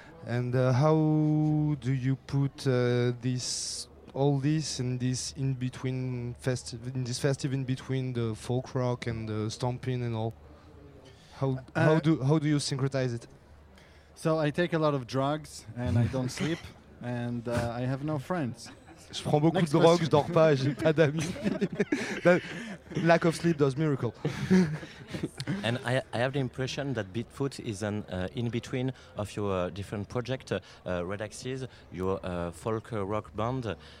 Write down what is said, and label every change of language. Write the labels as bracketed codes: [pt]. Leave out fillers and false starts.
[en] And how do you put this festive in between the folk rock and the stomping and all? How do you syncretize it? So I take a lot of drugs and I don't sleep and I have no friends. [fr] Je prends beaucoup de drogue, je dors pas, j'ai pas d'amis. [en] Lack of sleep does miracle. And I have the impression that Beatfoot is an in between of your different project, Red Axis, your folk rock band.